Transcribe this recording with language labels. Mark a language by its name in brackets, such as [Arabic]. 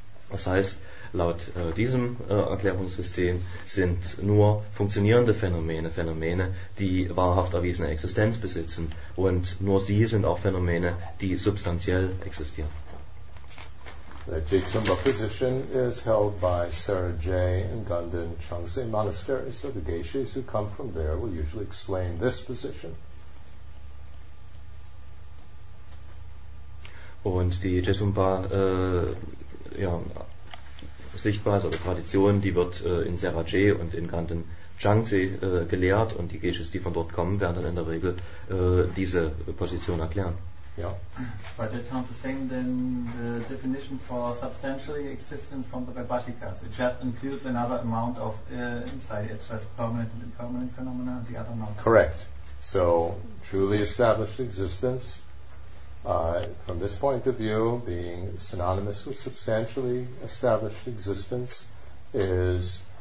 [German] Das heißt, laut diesem Erklärungssystem sind nur funktionierende Phänomene, die wahrhaft erwiesene Existenz besitzen. Und nur sie sind auch Phänomene, die substanziell existieren. [English] The Jetsumba position is held by Sarah J. and Gundan Changse Monastery. So the geishas who come from there will usually explain this position. [German] Und die Jetsumba Sichtweise oder Tradition, die wird in Serajé und in Ganten Changzi gelehrt, und die Geishas, die von dort kommen, werden dann in der Regel diese Position erklären. Ja. [English] But it sounds the same than the definition for substantially existence from the Vaibhashikas. It just includes another amount of insight. It's just permanent and impermanent phenomena, and the other amount. Correct. So truly established existence, from this point of view, being synonymous with substantially established existence, is